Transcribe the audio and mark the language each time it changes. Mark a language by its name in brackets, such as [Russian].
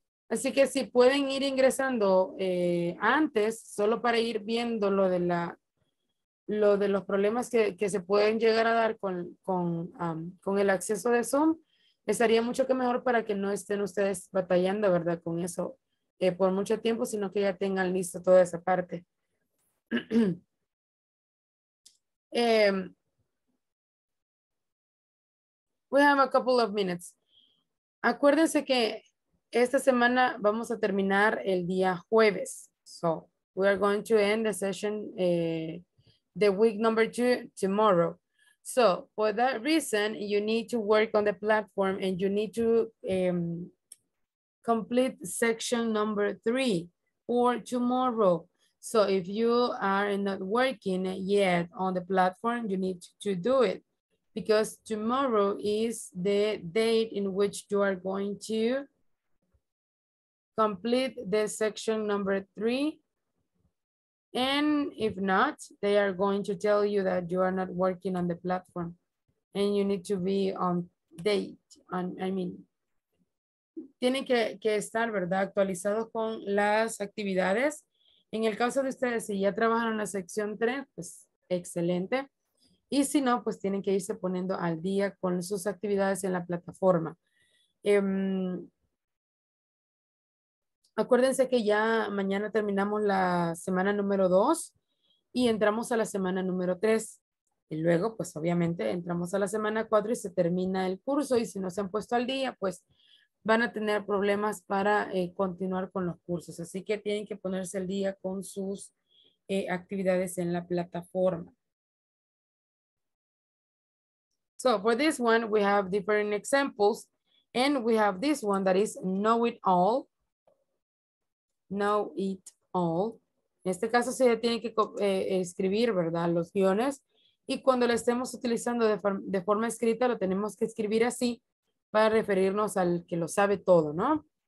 [Spanish] Así que si pueden ir ingresando antes, solo para ir viendo lo de los problemas que se pueden llegar a dar con el acceso de Zoom, estaría mucho que mejor para que no estén ustedes batallando, ¿verdad?, con eso por mucho tiempo, sino que ya tengan listo toda esa parte. [English] We have a couple of minutes. [Spanish] Acuérdense que esta semana vamos a terminar el día jueves. [English] So, we are going to end the session, the week number 2 tomorrow. So, for that reason, you need to work on the platform and you need to complete section number 3 for tomorrow. So, if you are not working yet on the platform, you need to do it. Because tomorrow is the date in which you are going to complete the section number 3. And if not, they are going to tell you that you are not working on the platform and you need to be on date. [Spanish] Tienen que estar, ¿verdad?, actualizados con las actividades. En el caso de ustedes, si ya trabajan en la sección 3, pues excelente. Y si no, pues tienen que irse poniendo al día con sus actividades en la plataforma. Acuérdense que ya mañana terminamos la semana número 2 y entramos a la semana número 3. Y luego, pues obviamente, entramos a la semana 4 y se termina el curso. Y si no se han puesto al día, pues van a tener problemas para continuar con los cursos. Así que tienen que ponerse al día con sus actividades en la plataforma. [English] So for this one, we have different examples and we have this one that is know it all. Know it all. [Spanish] En este caso se tiene que escribir, ¿verdad?, los guiones, y cuando lo estemos utilizando de forma escrita, lo tenemos que escribir así para referirnos al que lo sabe todo, ¿no?